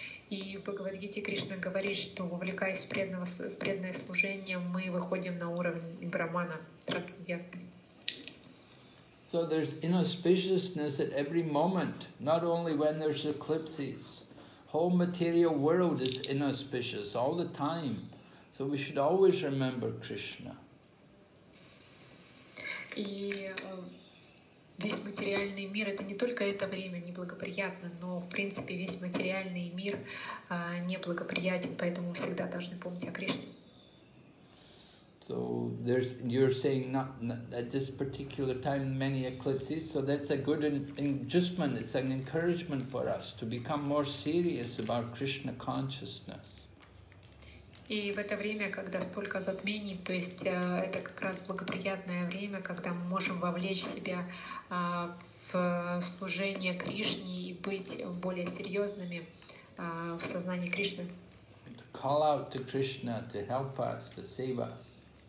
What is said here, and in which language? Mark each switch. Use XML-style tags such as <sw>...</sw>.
<ru>И в Бхагавад-гите Кришна говорит, что вовлекаясь в преданное служение, мы выходим на уровень брахмана, трансцендентности.</ru> <en>So there's inauspiciousness at every moment, not only when there's eclipses. Whole material world is inauspicious all the time. So we should always remember Krishna.</en> <ru>И весь материальный мир — это не только это время неблагоприятно, но в принципе весь материальный мир неблагоприятен, поэтому всегда должны помнить о Кришне.</ru> <en>So there's, you're saying not at this particular time many eclipses, so that's a good adjustment, it's an encouragement for us to become more serious about Krishna consciousness.</en> <ru>И в это время, когда столько затмений, то есть это как раз благоприятное время, когда мы можем вовлечь себя в служение Кришне и быть более серьезными в сознании Кришны.</ru> <en>To call out to Krishna to help us, to save us.</en>